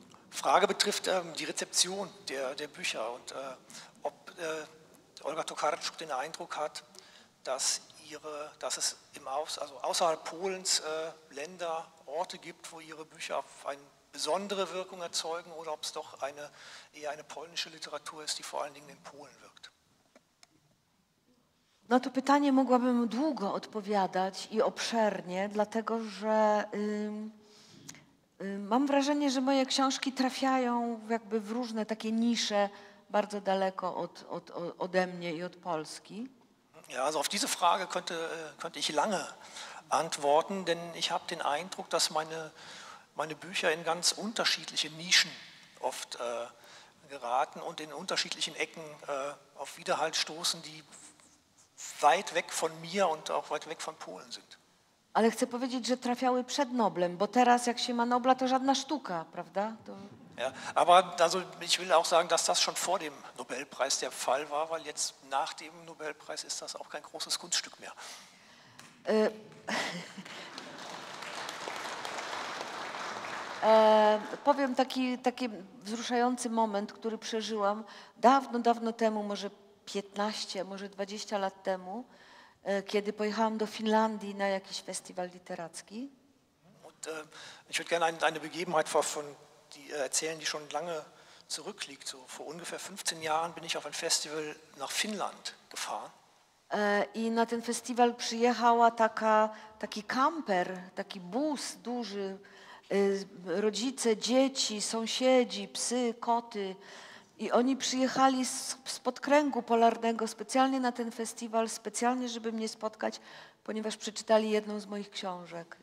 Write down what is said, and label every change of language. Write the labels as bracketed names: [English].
[German] Frage betrifft die Rezeption der Bücher und ob Olga Tokarczuk den Eindruck hat, dass es außerhalb Polens Länder, Orte gibt, wo ihre Bücher auf eine besondere Wirkung erzeugen oder ob es doch eher eine polnische Literatur ist, die vor allen Dingen in Polen wirkt. [Polish] Na to pytanie mogłabym długo odpowiadać i obszernie, dlatego że mam wrażenie, że moje książki trafiają jakby w różne takie nisze bardzo daleko ode mnie i od Polski. [German] Ja, also auf diese Frage könnte ich lange antworten, denn ich habe den Eindruck, dass meine Bücher in ganz unterschiedliche Nischen oft geraten und in unterschiedlichen Ecken auf Widerhall stoßen, die weit weg von mir und auch weit weg von Polen sind. [Polish] Ale chcę powiedzieć, że trafiały przed Noblem, bo teraz jak się ma Nobla, to żadna sztuka, prawda? To... [German] Ja, aber also ich will auch sagen, dass das schon vor dem Nobelpreis der Fall war, weil jetzt nach dem Nobelpreis ist das auch kein großes Kunststück mehr. [Polish] Powiem taki wzruszający moment, który przeżyłam dawno, dawno temu, może 15, może 20 lat temu, kiedy pojechałam do Finlandii na jakiś festiwal literacki. [German] Und, ich würde gerne eine Begebenheit erzählen, die schon lange zurückliegt. So vor ungefähr 15 Jahren bin ich auf ein Festival nach Finnland gefahren. [Polish] I na ten festiwal przyjechała taki kamper, taki bus duży, rodzice, dzieci, sąsiedzi, psy, koty. I oni przyjechali z podkręgu polarnego specjalnie na ten festiwal, specjalnie, żeby mnie spotkać, ponieważ przeczytali jedną z moich książek.